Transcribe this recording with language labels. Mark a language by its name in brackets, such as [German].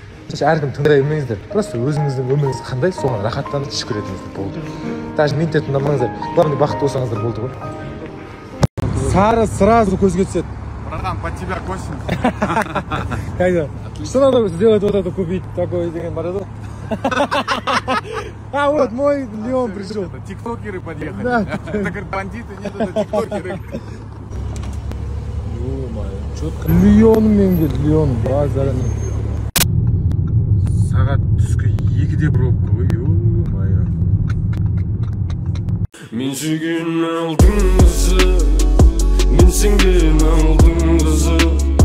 [Kazakh] Әркім тыңдай білмеңіздер. Просто өзіңіздің өміріңіз қандай, соған рахаттанып шүкір етіңіздер болды. Даже мен де тыңдамаңыздар, главное бақытты болсаңыздар болды ғой. Сары сразу көзге түседі. [Russian] Братан, под тебя косим. Как дела? Что надо сделать вот это, купить такое [Kazakh] деген бар еді? [Russian] А вот мой Леон пришел. Тиктокеры подъехали. Да. Это говорит, бандиты, нет, это тиктокеры. Ё-моё, чётко. Леон менгер, Леон, базарный. [Kazakh] Сағат түскі екіде пробка, ой, ё-моё. Мен сүйген алдың қызы, мен сенген алдың қызы.